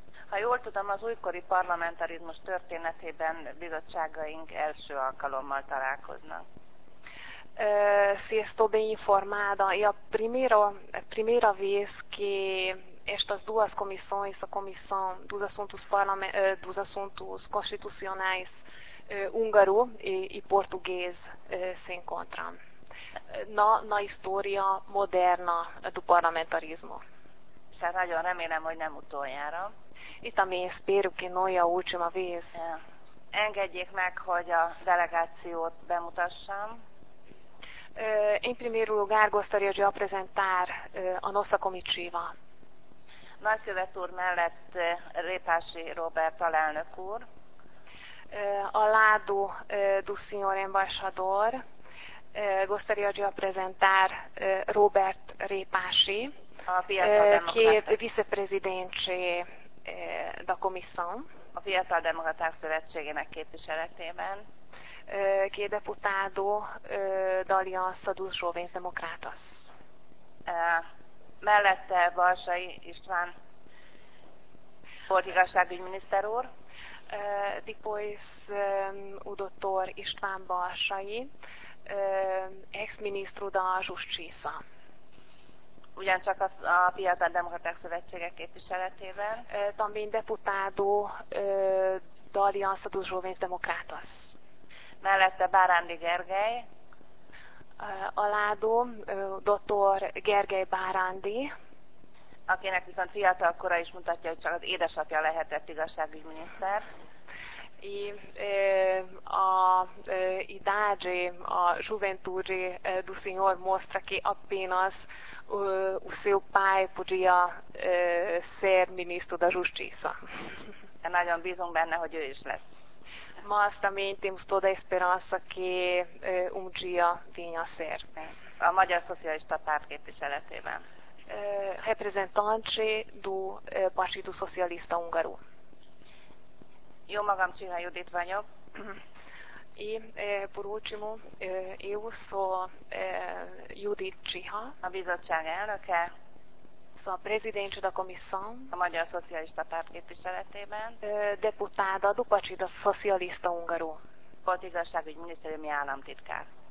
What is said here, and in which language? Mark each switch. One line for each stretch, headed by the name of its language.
Hungarian: Ha jól tudom, az újkori parlamentarizmus történetében bizottságaink első alkalommal találkoznak.
Portuguese: Si estou bem informada, é a primeira vez que estas duas comissões, a comissão dos assuntos constitucionais húngaro e português se encontram na história moderna do parlamentarismo.
Hungarian: Hát nagyon remélem, hogy nem utoljára.
Portuguese: E também espero que não é a última vez.
Hungarian: Engedjék meg, hogy a delegációt bemutassam.
Portuguese: Em primeiro lugar, gostaria de apresentar a nossa comitiva.
Hungarian: Nagykövet úr mellett Répási Róbert alelnök úr.
Portuguese: Ao lado do senhor embaixador, gostaria de apresentar Robert Répási, que é vice-presidente da Comissão.
Hungarian: A Fiatal Demokraták Szövetségének képviseletében.
Portuguese: Que é deputado da Aliança dos Jovens Democratas.
Hungarian: Mellette Varsai István polgárságügyi miniszter úr.
Portuguese: Depois o doutor István Varsai, ex-ministro da Justiça.
Hungarian: Ugyancsak a Fiatal Demokraták Szövetségek képviseletében.
Portuguese: Também deputado da Aliança dos Jovens Democratas.
Hungarian: Mellette Bárándi Gergely.
Portuguese: Alado Dr. Gergely Bárándi.
Hungarian: Akinek viszont fiatal kora is mutatja, hogy csak az édesapja lehetett igazságügyminiszter.
Portuguese: E a idade, a juventude do senhor mostra que apenas o seu pai podia ser ministro da Justiça.
Hungarian: É nagyon bízunk benne, hogy ő is lesz.
Portuguese: Mas também temos toda a esperança que dia venha a ser.
Hungarian: A Magyar Szocialista Párt képviseletében.
Portuguese: Representante do Partido Socialista Húngaro.
Hungarian: Jó magam, Csiha Judit vagyok.
Portuguese: Por último, eu sou Judit Csiha.
Hungarian: A bizottság elnöke.
Portuguese: Sou a presidente da comissão.
Hungarian: A Magyar Szocialista Párt képviseletében.
Portuguese: Deputada do Partido Socialista Húngaro.
Hungarian: Politigazságügyi minisztériumi államtitkár.